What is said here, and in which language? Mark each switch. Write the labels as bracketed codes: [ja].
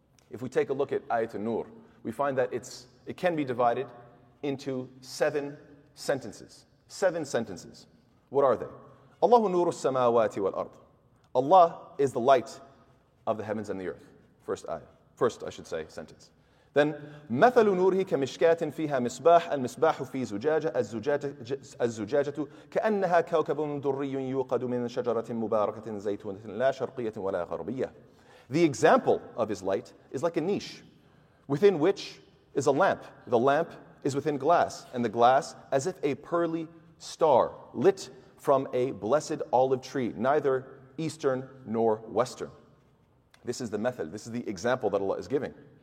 [en] If we take a look at Ayatun Noor, we find that it can be divided into seven sentences. Seven sentences. What are they? [ar] Allahu Nuru Samawati wal Ard. [en] Allah is the light of the heavens and the earth. First sentence. [ar] Then مثل نوره كمشكاة فيها مصباح المصباح في زجاجة الزجاجة كأنها كوكب دري يوقد من شجرة مباركة زيتونة لا شرقية ولا غربية. [en] The example of his light is like a niche within which is a lamp. The lamp is within glass, and the glass as if a pearly star lit from a blessed olive tree, neither eastern nor western. This is the method, this is the example that Allah is giving.